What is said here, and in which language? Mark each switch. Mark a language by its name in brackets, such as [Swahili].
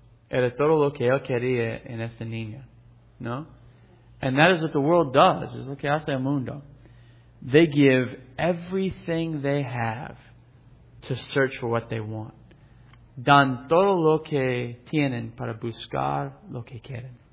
[Spanish] Era todo lo que él quería en esta niña. ¿No? [English] And that is what the world does. [Spanish] Es lo que hace el mundo. [English] They give everything they have to search for what they want. [Spanish] Dan todo lo que tienen para buscar lo que quieren.